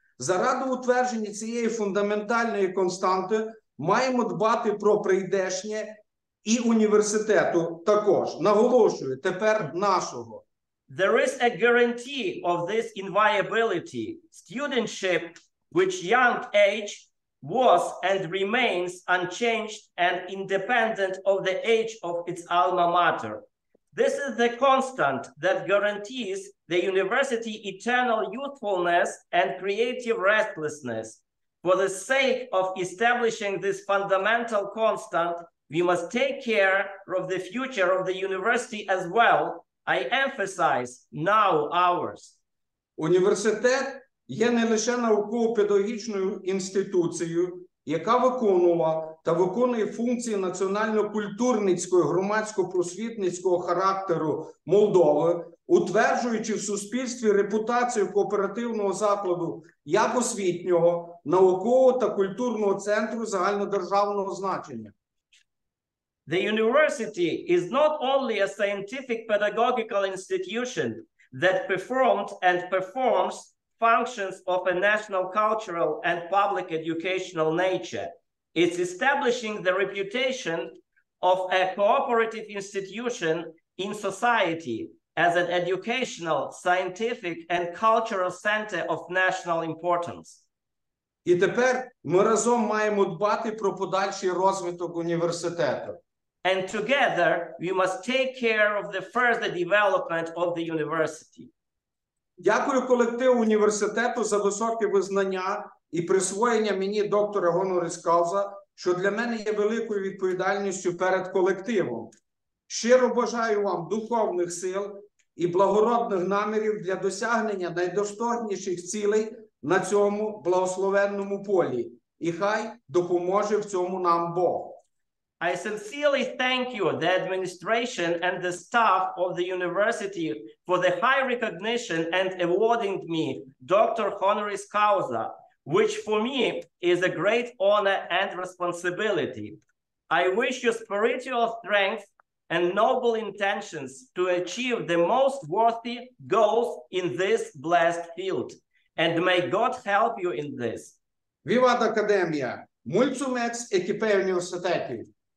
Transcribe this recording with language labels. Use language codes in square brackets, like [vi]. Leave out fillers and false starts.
[uk] Заради утвердження цієї фундаментальної константи маємо дбати про прийдешнє і університету також. Наголошую, тепер нашого. [en] There is a guarantee of this inviolability. Studentship, which young age was and remains unchanged and independent of the age of its alma mater. This is the constant that guarantees the university eternal youthfulness and creative restlessness. For the sake of establishing this fundamental constant, We must take care of the future of the university as well. I emphasize now ours. [uk] Університет є не лише науково-педагогічною інституцією, яка виконувала та виконує функції національно-культурницького громадсько-просвітницького характеру Молдови, утверджуючи в суспільстві репутацію кооперативного закладу як освітнього, наукового та культурного центру загальнодержавного значення. [en] The university is not only a scientific pedagogical institution that performed and performs functions of a national cultural and public educational nature. It's establishing the reputation of a cooperative institution in society as an educational, scientific, and cultural center of national importance. [uk] І тепер ми разом маємо дбати про подальший розвиток університету. [en] And together, we must take care of the further development of the university. [uk] Дякую колективу університету за високе визнання і присвоєння мені доктора honoris causa, що для мене є великою відповідальністю перед колективом. Щиро бажаю вам духовних сил і благородних намірів для досягнення найдостойніших цілей на цьому благословенному полі. І хай допоможе в цьому нам Бог. [en] I sincerely thank you, the administration and the staff of the university for the high recognition and awarding me Dr. Honoris Causa, which for me is a great honor and responsibility. I wish you spiritual strength and noble intentions to achieve the most worthy goals in this blessed field. And may God help you in this. [la] Vivat Academia! [ro] Mulțumesc echipei universității!